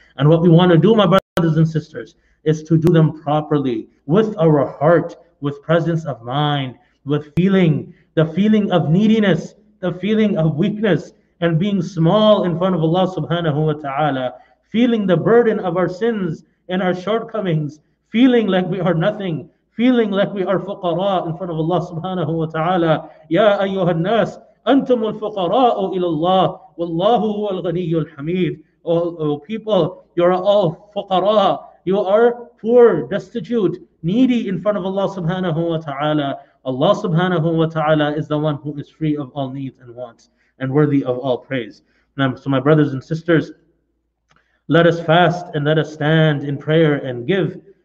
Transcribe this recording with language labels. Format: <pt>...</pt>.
<en>And what we want to do, my brothers and sisters, is to do them properly with our heart, with presence of mind, with feeling, the feeling of neediness, the feeling of weakness, and being small in front of Allah subhanahu wa ta'ala, feeling the burden of our sins and our shortcomings, feeling like we are nothing, feeling like we are fuqara in front of Allah subhanahu wa ta'ala.</en> <ar>Ya ayyuhan nas, أنتم الفقراء إلى الله والله هو الغني الحميد.</ar> <en>Oh people, you are all فقراء. You are poor, destitute, needy in front of Allah subhanahu wa ta'ala. Allah subhanahu wa ta'ala is the one who is free of all needs and wants and worthy of all praise. So my brothers and sisters, let us fast and let us stand in prayer and give.</en>